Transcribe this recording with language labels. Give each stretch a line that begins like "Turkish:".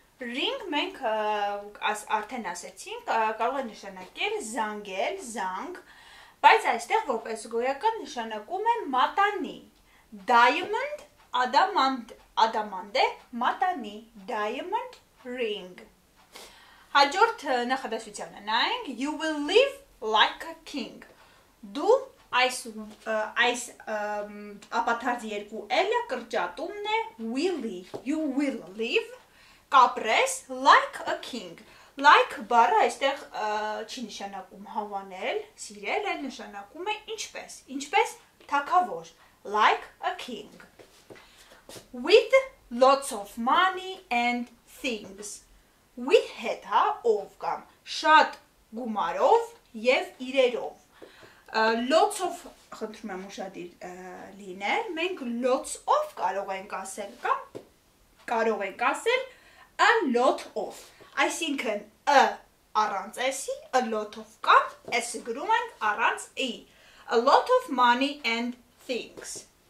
Armenian: Ring մենք արդեն ասացինք, կարող է նշանակել զանգել, զանգ, բայց այստեղ որպես գոյական նշանակում է մատանի. Diamond, adamant է, մատանի.
English: Diamond ring.
Armenian: Հաջորդ նախադասությանը նայենք,
English: you will live like a king.
Armenian: Դու այս ապաթարձ երկու էլը կրճատումն է willy.
English: You will live, կապրես like a king.
Armenian: Like բառը այստեղ չի նշանակում հավանել, սիրել, այլ նշանակում է ինչպես, ինչպես թագավոր,
English: like a king. With lots of money and things.
Armenian: With հետ, հա, ով կամ, շատ գումարով և իրերով. Lots of, խնդրում եմ ուշադիր լինել, մենք lots of կարող ենք ասել, կամ կարող ենք ասել a lot of, այսինքն a առանց s-ի, a lot of, կամ s-ը գրում ենք առանց e,
English: a lot of money and things.